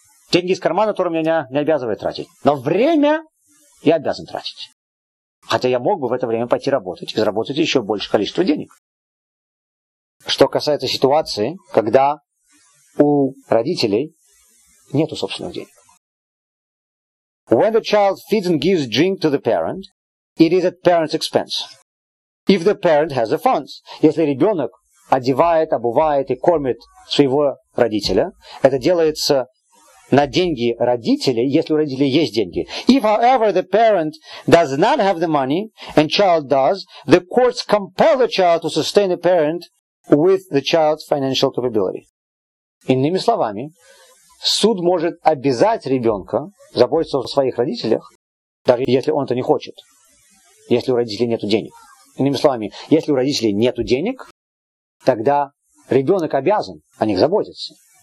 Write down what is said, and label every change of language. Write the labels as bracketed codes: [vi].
[ru] Деньги из кармана, которые меня не обязывают тратить. Но время я обязан тратить. Хотя я мог бы в это время пойти работать и заработать еще большее количество денег. Что касается ситуации, когда у родителей нету собственных денег. [en] When the child feeds and gives drink to the parent, it is at parent's expense. If the parent has the funds. [ru] Если ребенок одевает, обувает и кормит своего родителя, это делается на деньги родителей, если у родителей есть деньги. [en] If, however, the parent does not have the money, and child does, the courts compel the child to sustain the parent with the child's financial capability. [ru] Иными словами, суд может обязать ребенка заботиться о своих родителях, даже если он это не хочет, если у родителей нет денег. Иными словами, если у родителей нет денег, тогда ребенок обязан о них заботиться.